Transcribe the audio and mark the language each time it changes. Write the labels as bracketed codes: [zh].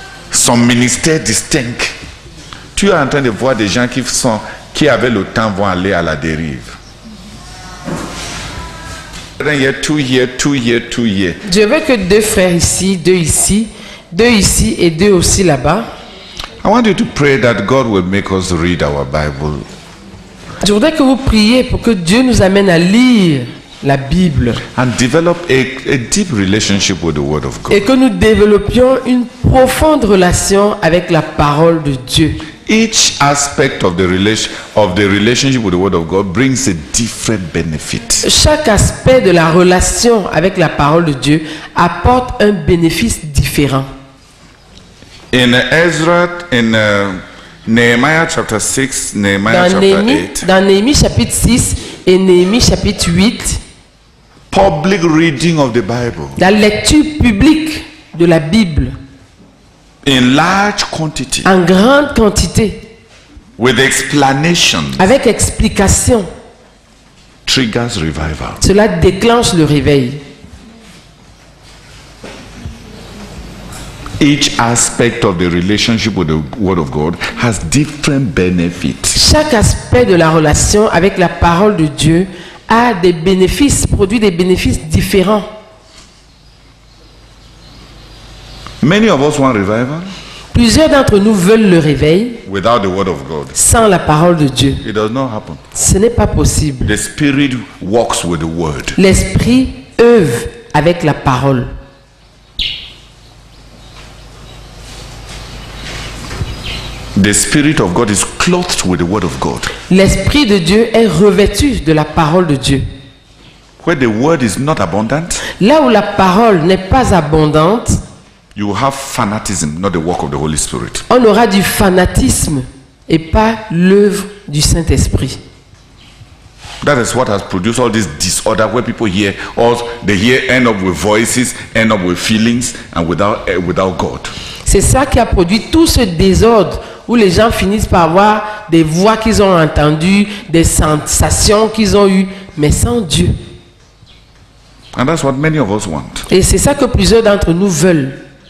[fr] Son ministère distinct. Tu es en train de voir des gens qui avec le temps vont aller à la dérive. Je veux que deux frères ici, deux ici, deux ici et deux aussi là-bas. [en] I want you to pray that God will make us read our Bible. [fr] Je voudrais que vous priez pour que Dieu nous amène à lire la Bible. [en] And develop a deep relationship with the Word of God. [fr] Et que nous développions une profonde relation avec la Parole de Dieu. [en] Each aspect of the relationship with the Word of God brings a different benefit. [fr] Chaque aspect de la relation avec la parole de Dieu apporte un bénéfice différent. [en] In Ezra, in Nehemiah chapter 6, Nehemiah chapter 8. [fr] Dans Néhémie chapitre 6 et Néhémie chapitre 8. [en] Public reading of the Bible. [fr] La lecture publique de la Bible. [en] In large quantity, [fr] en grande quantité, [en] with explanation, [fr] avec explication, [en] triggers revival. [fr] Cela déclenche le réveil. [en] Each aspect of the relationship with the Word of God has different benefits. [fr] Chaque aspect de la relation avec la parole de Dieu a des bénéfices, produit des bénéfices différents. [en] Many of us want revival. [fr] Plusieurs d'entre nous veulent le réveil. [en] Without the word of God. [fr] Sans la parole de Dieu. [en] It does not happen. [fr] Ce n'est pas possible. [en] The spirit works with the word. [fr] L'esprit œuvre avec la parole. [en] The spirit of God is clothed with the word of God. [fr] L'esprit de Dieu est revêtu de la parole de Dieu. [en] Where the word is not abundant. [fr] Là où la parole n'est pas abondante. [en] You have fanatism, not the work of the Holy Spirit. [fr] On aura du fanatisme et pas l'œuvre du Saint-Esprit. [en] That is what has produced all this disorder where people hear all they hear end up with voices, end up with feelings and without God. [fr] C'est ça qui a produit tout ce désordre où les gens finissent par avoir des voix qu'ils ont entendues, des sensations qu'ils ont eues, mais sans Dieu. [en] And that's what many of us want. [fr] Et c'est ça que plusieurs d'entre nous veulent.